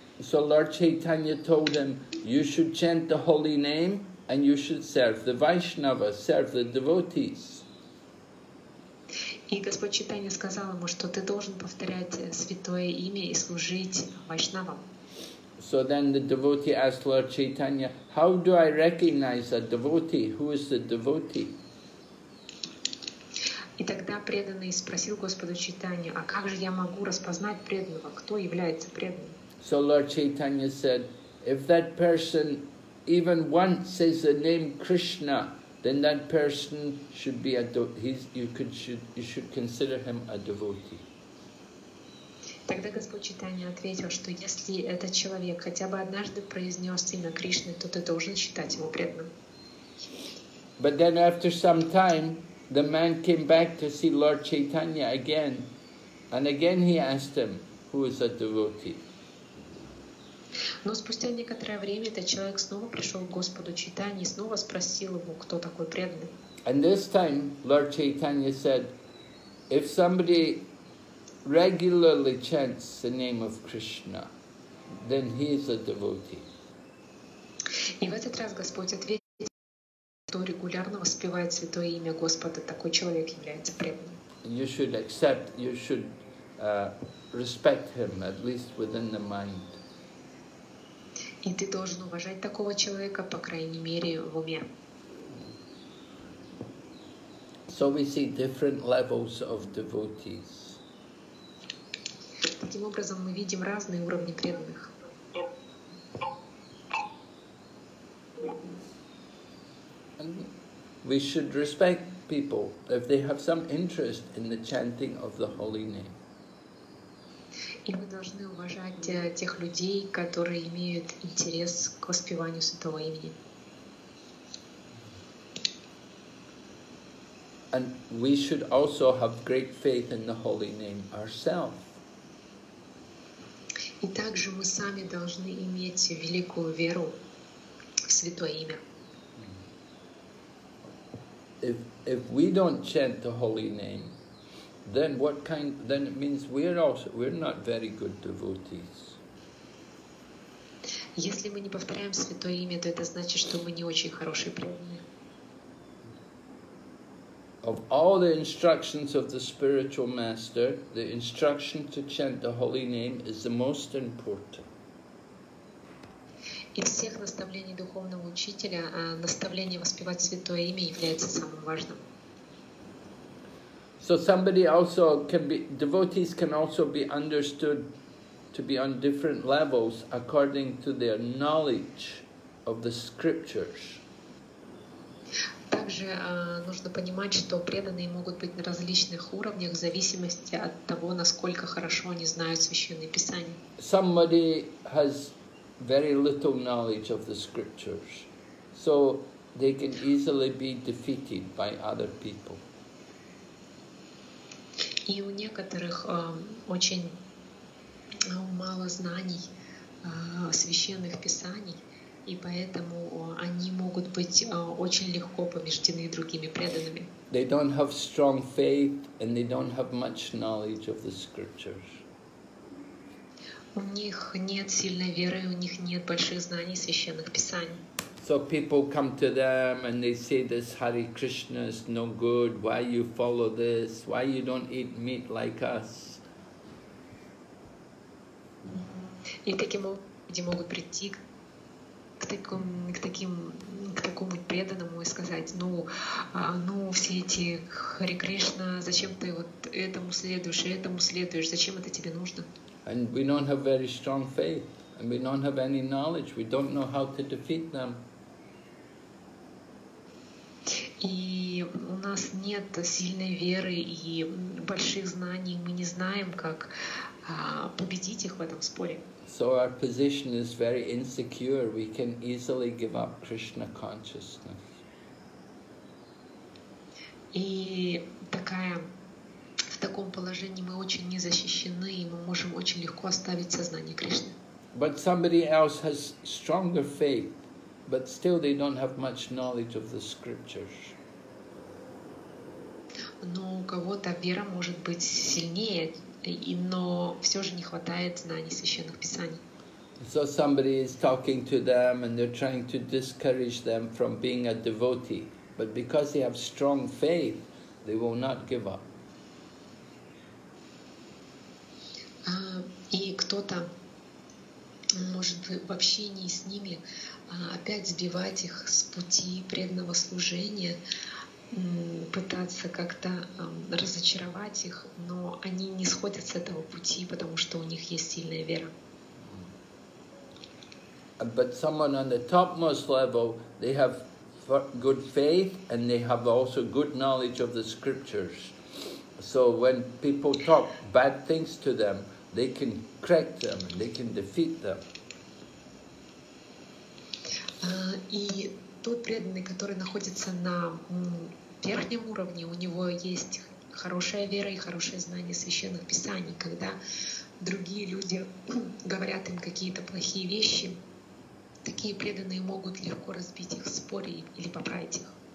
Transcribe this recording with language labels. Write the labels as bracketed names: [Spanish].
[English] So Lord Chaitanya told him, you should chant the holy name and you should serve the Vaishnavas, serve the devotees. [Russian] И Господь Чайтанья сказал ему, что ты должен повторять святое имя и служить Вайшнавам. [English] So then the devotee asked Lord Chaitanya, how do I recognize a devotee? Who is the devotee? [Russian] И тогда преданный спросил Господа Чайтанью, а как же я могу распознать преданного? Кто является преданным? [English] So Lord Chaitanya said, if that person even once says the name Krishna, then that person should be you should consider him a devotee. [Russian] Тогда Господь Чайтанья ответил, что если этот человек хотя бы однажды произнес имя Кришны, то ты должен считать его преданным. [English] But then after some time, the man came back to see Lord Chaitanya again, and again he asked him, who is a devotee? [Russian] Но спустя некоторое время этот человек снова пришел к Господу Чайтанье и снова спросил его, кто такой преданный. [English] And this time Lord Chaitanya said, if somebody regularly chants the name of Krishna, then he is a devotee. [Russian] И в этот раз Господь ответил, кто регулярно воспевает святое имя Господа, такой человек является преданным. [English] You should accept, you should respect him, at least within the mind. [Russian] И ты должен уважать такого человека, по крайней мере, в уме. [English] So we see different levels of devotees. [Russian] Таким образом, мы видим разные уровни преданных. [English] We should respect people if they have some interest in the chanting of the holy name. [Russian] И мы должны уважать тех людей, которые имеют интерес к воспеванию святого имени. [English] And we should also have great faith in the holy name ourselves. [Russian] И также мы сами должны иметь великую веру в святое имя. [English] If we don't chant the holy name, then what kind? Then it means we're not very good devotees. [Russian] Если мы не повторяем святое имя, то это значит, что мы не очень хорошие преданные. [English] Of all the instructions of the spiritual master, the instruction to chant the holy name is the most important. [Russian] Из всех наставлений духовного учителя, наставление воспевать святое имя является самым важным. [English] So somebody also can be, devotees can also be understood to be on different levels according to their knowledge of the scriptures. [Russian] также нужно понимать, что преданные могут быть на различных уровнях в зависимости от того, насколько хорошо они знают Священное Писание. [English] Somebody has very little knowledge of the scriptures, so they can easily be defeated by other people. [Russian] И у некоторых очень мало знаний священных писаний, и поэтому они могут быть очень легко побеждены другими преданными. [English] They don't have strong faith and they don't have much knowledge of the scriptures. [Russian] У них нет сильной веры, у них нет больших знаний священных писаний. [English] So people come to them and they say, this Hare Krishna is no good, why you follow this, why you don't eat meat like us? [Russian] И таким образом могут прийти к такому преданному и сказать, ну все эти Хари Кришна, зачем ты вот этому следуешь, зачем это тебе нужно? [English] And we don't have very strong faith, and we don't have any knowledge, we don't know how to defeat them. [Russian] И у нас нет сильной веры и больших знаний, мы не знаем, как победить их в этом споре. [English] So our position is very insecure. We can easily give up Krishna consciousness. [Russian] И такая в таком положении мы очень незащищены, и мы можем очень легко оставить сознание Кришны. [English] But somebody else has stronger faith, but still they don't have much knowledge of the scriptures. [Russian] Но у кого-то вера может быть сильнее. Но все же не хватает знаний священных писаний. [English] So somebody is talking to them and they're trying to discourage them from being a devotee, but because they have strong faith, they will not give up. [Russian] И кто-то может в общении с ними опять сбивать их с пути преданного служения, пытаться как-то разочаровать их, но они не сходят с этого пути, потому что у них есть сильная вера. [English] But someone on the topmost level, they have good faith and they have also good knowledge of the scriptures. So when people talk bad things to them, they can correct them, they can defeat them. [Russian] И тот преданный, который находится на верхнем уровне, у него есть хорошая вера и хорошее знание священных писаний. Когда другие люди говорят им какие-то плохие вещи, такие преданные могут легко разбить их в споре или поправить их.